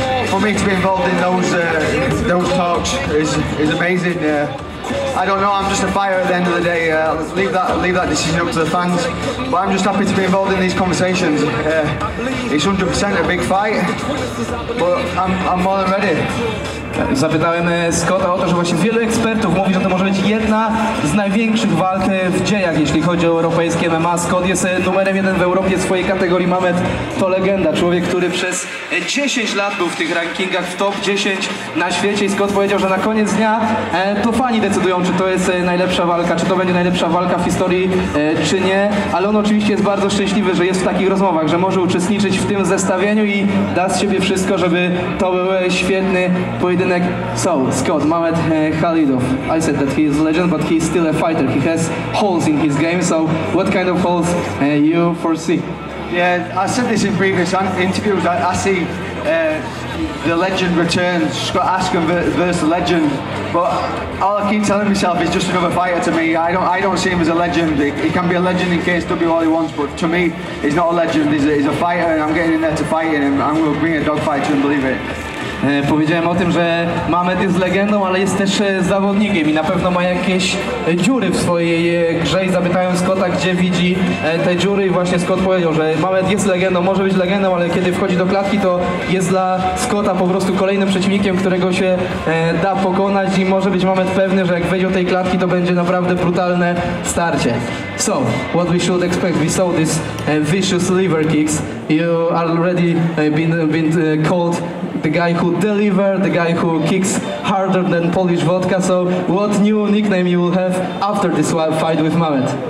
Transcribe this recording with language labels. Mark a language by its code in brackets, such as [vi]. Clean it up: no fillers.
[en] For me to be involved in those talks is amazing. I don't know, I'm just a fighter at the end of the day. Leave that decision up to the fans. But I'm just happy to be involved in these conversations. It's 100% a big fight, but I'm more than ready. [pl] Zapytałem Scotta o to, że właśnie wielu ekspertów mówi, że to może być jedna z największych walk w dziejach, jeśli chodzi o europejskie MMA. Scott jest numerem jeden w Europie w swojej kategorii. Mamed to legenda, człowiek, który przez 10 lat był w tych rankingach w top 10 na świecie. I Scott powiedział, że na koniec dnia to fani decydują, czy to jest najlepsza walka, czy to będzie najlepsza walka w historii, czy nie. Ale on oczywiście jest bardzo szczęśliwy, że jest w takich rozmowach, że może uczestniczyć w tym zestawieniu i da z siebie wszystko, żeby to był świetny pojedynek. [en] So, Scott, Mamed Khalidov, I said that he is a legend, but he's still a fighter. He has holes in his game, so what kind of holes you foresee? Yeah, I said this in previous interviews. I see the legend returns, Scott Askren versus the legend, but all I keep telling myself is just another fighter to me. I don't see him as a legend. He can be a legend in KSW all he wants, but to me, he's not a legend. He's a fighter, and I'm getting in there to fight him. I'm going to bring a dogfight to him, believe it. [pl] Powiedziałem o tym, że Mamed jest legendą, ale jest też zawodnikiem i na pewno ma jakieś dziury w swojej grze i zapytałem Scotta, gdzie widzi te dziury i właśnie Scott powiedział, że Mamed jest legendą, może być legendą, ale kiedy wchodzi do klatki, to jest dla Scotta po prostu kolejnym przeciwnikiem, którego się da pokonać i może być Mamed pewny, że jak wejdzie do tej klatki, to będzie naprawdę brutalne starcie. [en] So, what we should expect? We saw this vicious liver kicks. You already been called the guy who delivers, the guy who kicks harder than Polish vodka. So, what new nickname you will have after this fight with Mamed?